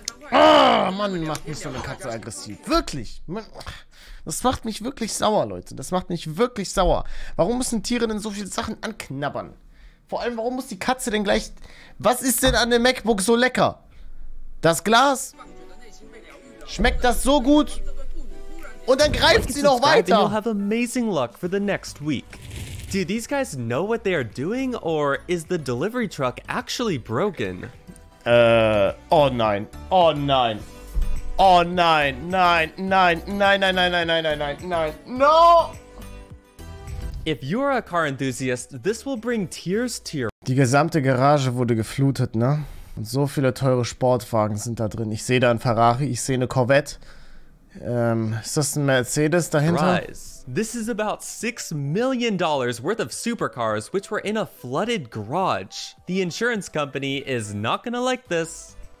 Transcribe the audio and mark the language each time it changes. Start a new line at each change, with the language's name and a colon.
German: Ah, oh, Mann, macht mich so eine Katze aggressiv. Wirklich. Das macht mich wirklich sauer, Leute. Das macht mich wirklich sauer. Warum müssen Tiere denn so viele Sachen anknabbern? Vor allem, warum muss die Katze denn gleich... Was ist denn an dem MacBook so lecker? Das Glas? Schmeckt das so gut? Und dann greift sie noch weiter.
English: You'll have amazing luck for the next week. Do these guys know what they are doing or is the delivery truck actually broken?
German: Oh nein. Oh nein. Oh nein. Nein, nein, nein, nein, nein, nein, nein, nein, nein, nein.
English: No! If you are a car enthusiast, this will bring tears to your...
German: Die gesamte Garage wurde geflutet, ne? Und so viele teure Sportwagen sind da drin. Ich sehe da ein Ferrari, ich sehe eine Corvette. Ist das ein Mercedes dahinter? Rise.
English: This is about $6 million worth of supercars, which were in a flooded garage. The insurance company is not gonna like this.